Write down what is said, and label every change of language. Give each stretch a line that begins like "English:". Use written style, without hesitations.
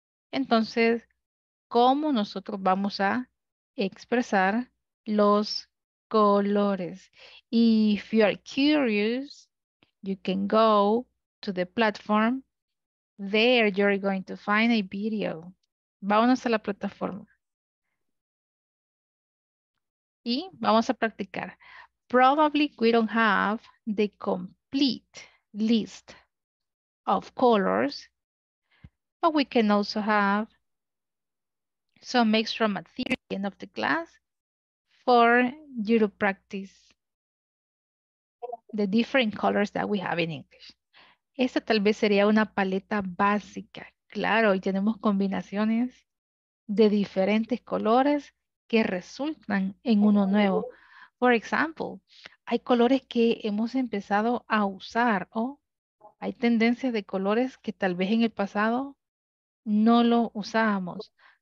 Spanish: Entonces, ¿cómo nosotros vamos a expresar los colores?
English: If you are curious, you can go to the platform. There you're going to find a video.
Spanish: Vámonos a la plataforma. Y vamos a practicar.
English: Probably we don't have the complete list of colors, but we can also have some extra material at the end of the class for you to practice the different colors that we have in English.
Spanish: Esta tal vez sería una paleta básica. Claro, y tenemos combinaciones de diferentes colores que resultan en uno nuevo.
English: For example,
Spanish: hay colores que hemos empezado a usar o hay tendencias de colores que tal vez en el pasado no lo usábamos.